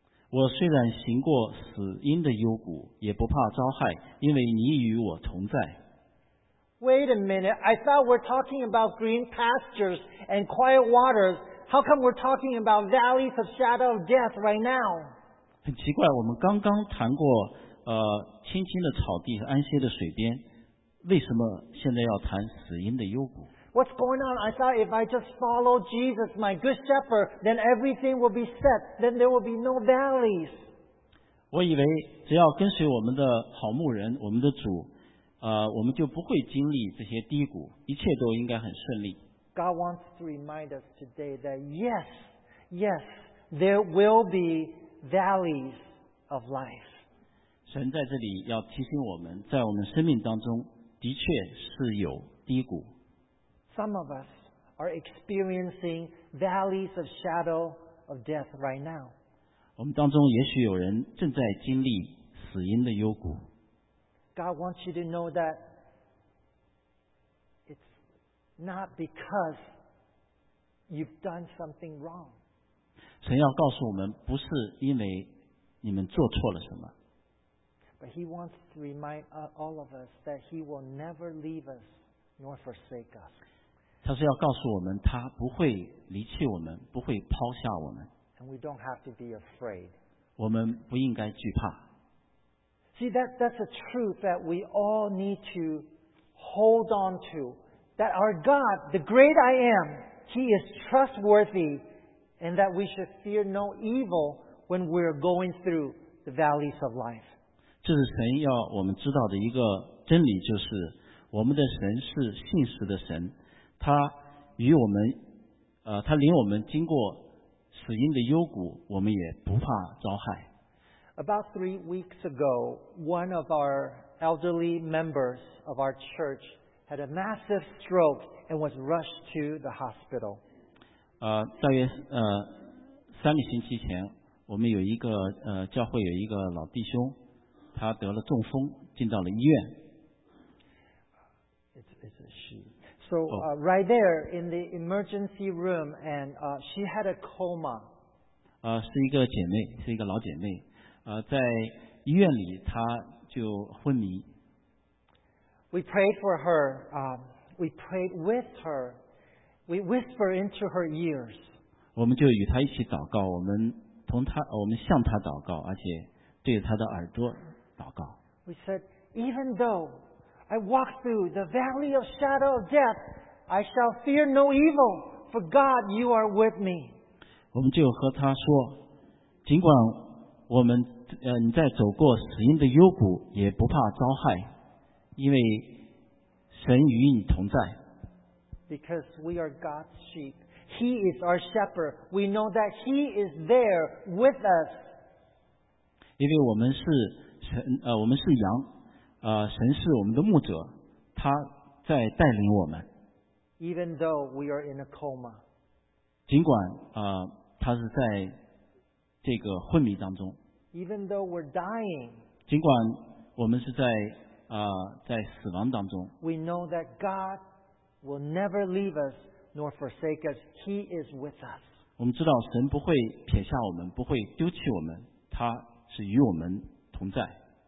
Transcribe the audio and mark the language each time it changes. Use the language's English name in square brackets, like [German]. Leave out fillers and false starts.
[Chinese] 我虽然行过死荫的幽谷，也不怕遭害，因为你与我同在。 [English] Wait a minute, I thought we're talking about green pastures and quiet waters. How come we're talking about valleys of shadow of death right now? [Chinese] 很奇怪，我们刚刚谈过青青的草地和安歇的水边，为什么现在要谈死荫的幽谷？ [English] What's going on? I thought if I just follow Jesus, my good shepherd, then everything will be set, then there will be no valleys. [Chinese] 我以为只要跟随我们的好牧人，我们的主，我们就不会经历这些低谷，一切都应该很顺利。 [English] God wants to remind us today that yes, yes, there will be valleys of life. [Chinese] 神在这里要提醒我们，在我们生命当中的确是有低谷。 [English] Some of us are experiencing valleys of shadow of death right now. [Chinese] 我们当中也许有人正在经历死荫的幽谷。 [English] God wants you to know that it's not because you've done something wrong. [Chinese] 神要告诉我们，不是因为你们做错了什么。 [English] But He wants to remind all of us that He will never leave us nor forsake us. [Chinese] 他是要告诉我们，他不会离弃我们，不会抛下我们。 [English] And we don't have to be afraid. [Chinese] 我们不应该惧怕。 [English] See, that's a truth that we all need to hold on to. That our God, the great I am, He is trustworthy, and that we should fear no evil when we're going through the valleys of life. [Chinese] 这是神要我们知道的一个真理，就是我们的神是信实的神，他与我们，他领我们经过死荫的幽谷，我们也不怕遭害。 [English] About 3 weeks ago, one of our elderly members of our church had a massive stroke and was rushed to the hospital. [Chinese] 大约三个星期前，我们有一个教会有一个老弟兄，他得了中风，进到了医院。 [English] It's a she. So right there in the emergency room, and she had a coma. [Chinese] 是一个姐妹，是一个老姐妹。在医院里他就昏迷。 [English] We prayed for her, we prayed with her, we whispered into her ears. [Chinese] 我们就与她一起祷告，我们向她祷告，而且对她的耳朵祷告。 [English] We said, even though I walk through the valley of shadow of death, I shall fear no evil, for God, you are with me. [Chinese] 我们就和她说，尽管我们你在走过死荫的幽谷，也不怕遭害，因为神与你同在。 [English] Because we are God's sheep, He is our shepherd. We know that He is there with us. [Chinese] 因为我们是羊，神是我们的牧者，他在带领我们。 [English] Even though we are in a coma， [Chinese] 尽管他是在这个昏迷当中。 [English] Even though we're dying， [Chinese] 尽管我们是在死亡当中。 [English] We know that God will never leave us nor forsake us. He is with us。 [Chinese] 我们知道神不会撇下我们，不会丢弃我们，他是与我们同在。